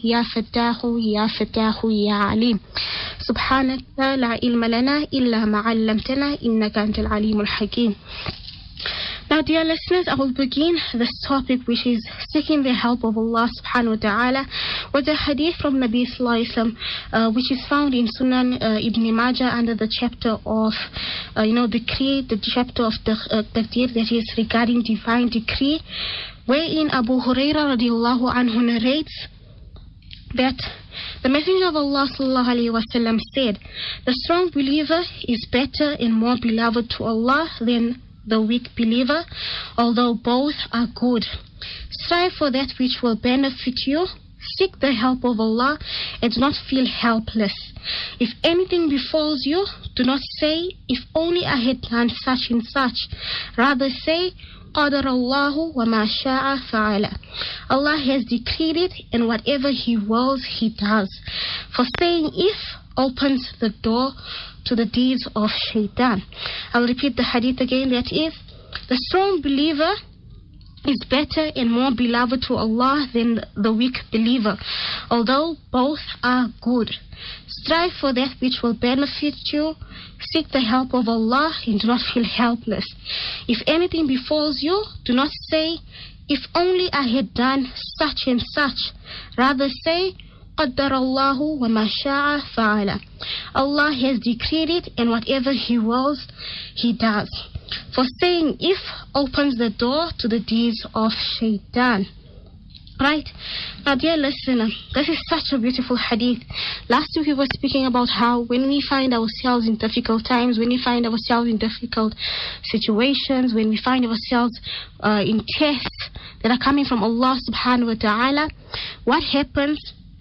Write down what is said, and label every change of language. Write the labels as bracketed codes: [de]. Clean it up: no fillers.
[ar] Ya فتاه يا فتاه يا عليم سبحانك لا علم لنا إلا ما علمتنا إنك أنت العليم الحكيم. [en] Now, dear listeners, I will begin this topic, which is seeking the help of Allah subhanahu wa ta'ala, with a hadith from Nabi sallallahu alayhi wa sallam, which is found in Sunan Ibn Majah under the chapter of, the chapter of taqdeer, that is regarding divine decree, wherein Abu Huraira radiallahu anhu narrates that the Messenger of Allah sallallahu alayhi wa sallam said, the strong believer is better and more beloved to Allah than the weak believer, although both are good. Strive for that which will benefit you. Seek the help of Allah and do not feel helpless. If anything befalls you, do not say, if only I had done such and such. Rather say, [ar] قَدَرَ اللَّهُ وَمَا شَاءَ فَعَلَ. [en] Allah has decreed it, and whatever He wills, He does. For saying if opens the door to the deeds of shaitan. I'll repeat the hadith again. That is, the strong believer is better and more beloved to Allah than the weak believer, although both are good. Strive for that which will benefit you. Seek the help of Allah and do not feel helpless. If anything befalls you, do not say, if only I had done such and such. Rather say, [ar] قَدَّرَ اللَّهُ وَمَا شَاءَ فَعَلَ. [en] Allah has decreed it, and whatever He wills, He does. For saying if opens the door to the deeds of shaitan. Right. Now, dear listener, this is such a beautiful hadith. Last week, we were speaking about how when we find ourselves in difficult times, when we find ourselves in difficult situations, when we find ourselves in tests that are coming from Allah subhanahu wa ta'ala, what happens?